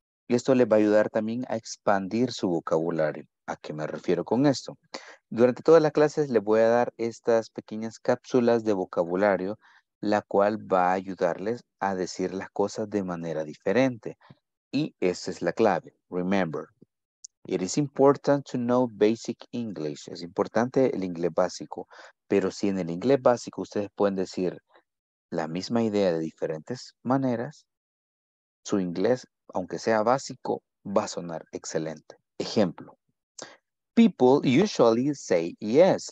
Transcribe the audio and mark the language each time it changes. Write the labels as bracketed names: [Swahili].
[Spanish] Y esto les va a ayudar también a expandir su vocabulario. ¿A qué me refiero con esto? Durante todas las clases les voy a dar estas pequeñas cápsulas de vocabulario, la cual va a ayudarles a decir las cosas de manera diferente. Y esa es la clave. [English] Remember, it is important to know basic English. [Spanish] Es importante el inglés básico. Pero si en el inglés básico ustedes pueden decir la misma idea de diferentes maneras, su inglés, aunque sea básico, va a sonar excelente. [English] Ejemplo. People usually say yes.